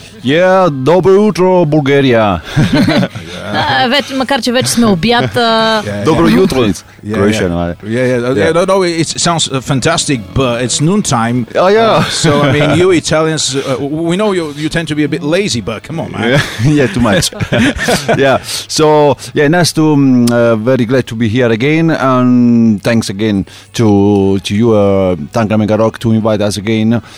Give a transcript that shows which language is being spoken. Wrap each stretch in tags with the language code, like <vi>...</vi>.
<bg>Yeah, добро утро, Bulgaria. Вече, макар че вече сме обяд. Добро утро, Croatia.</bg> <en>No, it sounds fantastic, but it's noon time. Oh yeah. So I mean, you Italians, we know you tend to be a bit lazy, but come on, man. Yeah, too much. Yeah. So yeah, nice to, very glad to be here again, and thanks again to you, Tanka Mega Rock, to invite us again.</en>